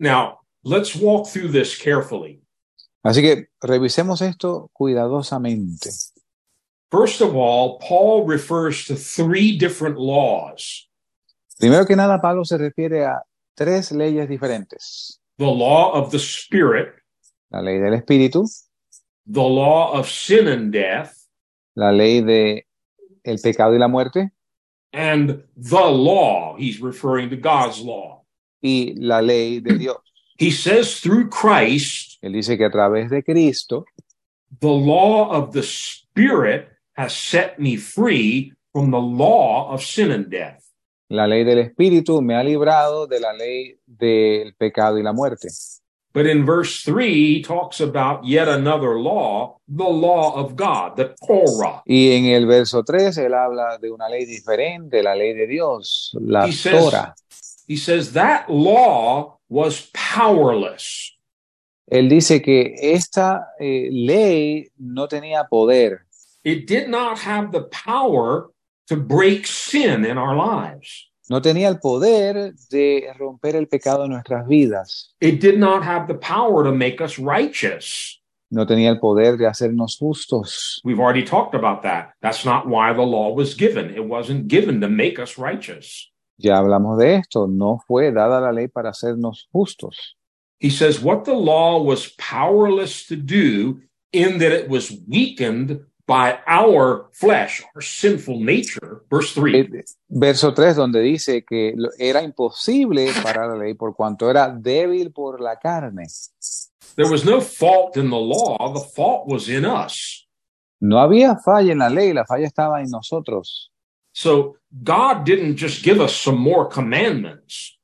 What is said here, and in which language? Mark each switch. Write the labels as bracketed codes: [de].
[en] Now, let's walk through this carefully. [es] Así que revisemos esto cuidadosamente. [en] First of all, Paul refers to three different laws. [es] Primero que nada, Pablo se refiere a tres leyes diferentes. [en] The law of the Spirit. [es] La ley del Espíritu. [en] The law of sin and death. [es] La ley de el pecado y la muerte. [en] And the law. He's referring to God's law. [es] Y la ley de Dios. [en] He says through Christ. [es] Él dice que a través de Cristo. [en] The law of the Spirit has set me free from the law of sin and death. [es] La ley del Espíritu me ha librado de la ley del pecado y la muerte. [en] But in verse 3, he talks about yet another law, the law of God, the Torah. [es] Y en el verso 3, él habla de una ley diferente, la ley de Dios, la Torah. [en] He says that law was powerless. [es] Él dice que esta ley no tenía poder. [en] It did not have the power to break sin in our lives. [es] No tenía el poder de romper el pecado en nuestras vidas. [en] It did not have the power to make us righteous. [es] No tenía el poder de hacernos justos. [en] We've already talked about that. That's not why the law was given. It wasn't given to make us righteous. [es] Ya hablamos de esto. No fue dada la ley para hacernos justos. [en] He says what the law was powerless to do in that it was weakened by our flesh, our sinful nature, verse 3. [es] Verso 3, donde dice que era imposible para la ley por cuanto era débil por la carne. [en] There was no fault in the law, the fault was in us. [es] No había falla en la ley, la falla estaba en nosotros. [en] So God didn't just give us some more commandments.